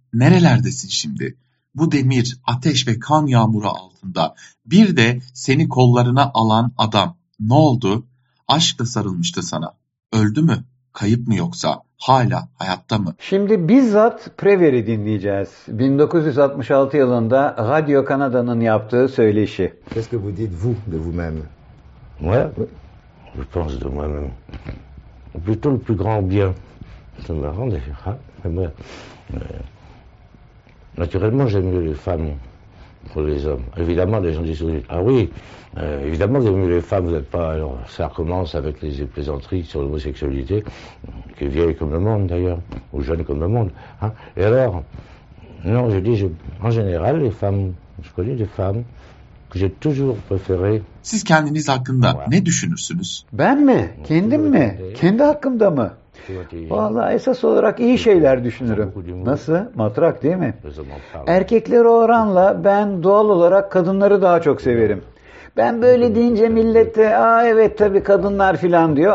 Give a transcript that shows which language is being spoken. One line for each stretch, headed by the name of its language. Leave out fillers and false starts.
Turkish: Nerelerdesin şimdi? Bu demir, ateş ve kan yağmuru altında bir de seni kollarına alan adam. Ne oldu? Aşkla sarılmıştı sana. Öldü mü? Kayıp mı yoksa? Hala hayatta mı? Şimdi bizzat Prevere'i dinleyeceğiz. 1966 yılında Radio Kanada'nın yaptığı söyleşi.
French: Qu'est-ce que vous dites vous de vous-même? Moi? Je pense de moi-même. Plutôt le plus grand bien. C'est marrant de dire, hein? Mais naturellement, j'aime mieux les femmes que les hommes. Évidemment, les gens disent, ah oui, évidemment, vous aimez mieux les femmes, vous n'êtes pas... Alors, ça recommence avec les plaisanteries sur l'homosexualité, qui est vieille comme le monde, d'ailleurs, ou jeune comme le monde. Hein? Et alors, non, je dis, en général, les femmes, je connais des femmes que j'ai toujours préférées.
Turkish: Siz kendiniz hakkında ne düşünürsünüz? Ben mi? Kendim mi? Kendi hakkımda mı? Vallahi esas olarak iyi şeyler düşünürüm. Nasıl? Matrak değil mi? Erkekler oranla ben doğal olarak kadınları daha çok severim. Ben böyle deyince millet de aa evet tabii kadınlar filan diyor.